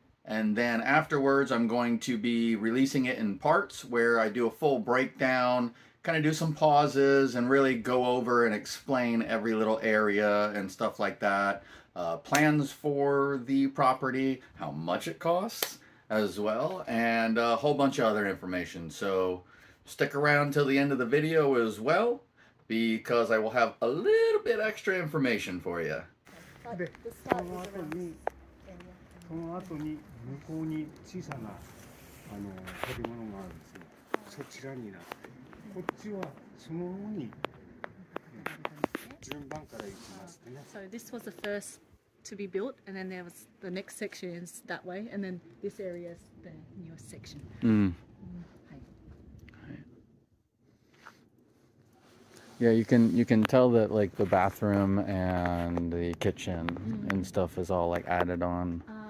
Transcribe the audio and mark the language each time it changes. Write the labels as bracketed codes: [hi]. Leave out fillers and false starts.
[en] And then afterwards, I'm going to be releasing it in parts where I do a full breakdown, kind of do some pauses and really go over and explain every little area and stuff like that. Plans for the property, how much it costs as well, and a whole bunch of other information. So stick around till the end of the video as well, because I will have a little bit extra information for you. [ja] その後に向こうに小さな建物があるんですよ。そちらになって、こっちはその方に順番から行きますね。 [en] So this was the first to be built, and then there was the next section is that way, and then this area is the newest section. Yeah, you can tell that like the bathroom and the kitchen and stuff is all like added on.